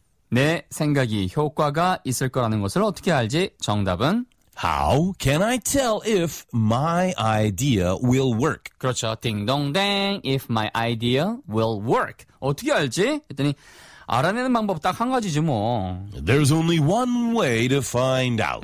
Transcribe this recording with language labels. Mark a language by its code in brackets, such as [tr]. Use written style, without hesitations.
[ko] 내 생각이 효과가 있을 거라는 것을 어떻게 알지? 정답은? [en] How can I tell if my idea will work? [ko] 그렇죠. 딩동댕. [en] If my idea will work. [ko] 어떻게 알지? 했더니 알아내는 방법 딱 한 가지지 뭐. [en] There's only one way to find out.